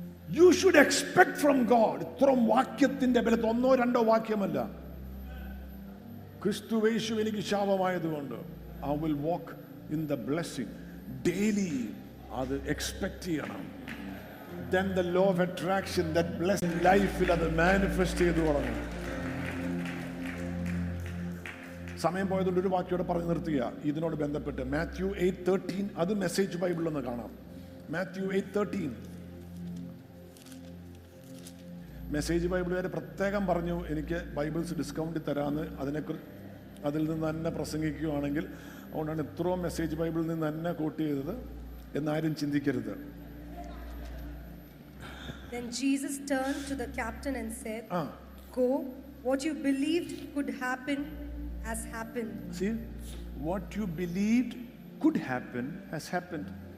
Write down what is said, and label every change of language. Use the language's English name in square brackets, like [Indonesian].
[English] You should expect from God. [Malayalam] ഇത്രയും വാക്യത്തിന്റെ ബലത്തിൽ ഒന്നോ രണ്ടോ വാക്യമല്ല, ക്രിസ്തു യേശു എനിക്ക് ശാപമായതുകൊണ്ട് [English] I will walk in the blessing daily. [Malayalam] അത് എക്സ്പെക്ട് ചെയ്യണം. [English] Then the law of attraction, that blessed life will have manifested to you. [Malayalam] സമയം പോയതുകൊണ്ട് ഒരു വാക്യോടെ പറഞ്ഞു നിർത്തുക. ഇതിനോട് ബന്ധപ്പെട്ട് മാത്യു 8:13, അത് മെസ്സേജ് ബൈബിളിൽ നിന്ന് കാണാം. മാത്യു 8:13 മെസ്സേജ് ബൈബിളുകാർ പ്രത്യേകം പറഞ്ഞു എനിക്ക് ബൈബിൾസ് ഡിസ്കൗണ്ടിൽ തരാമെന്ന്. അതിനെക്കുറിച്ച് അതിൽ നിന്ന് തന്നെ പ്രസംഗിക്കുകയാണെങ്കിൽ, അതുകൊണ്ടാണ് ഇത്രയും മെസ്സേജ് ബൈബിളിൽ നിന്ന് തന്നെ കോട്ട് ചെയ്തത് എന്നാരും ചിന്തിക്കരുത്. [English] Then Jesus turned to the captain and said, Go, what you believed could happen has happened. See, what you believed could happen has happened.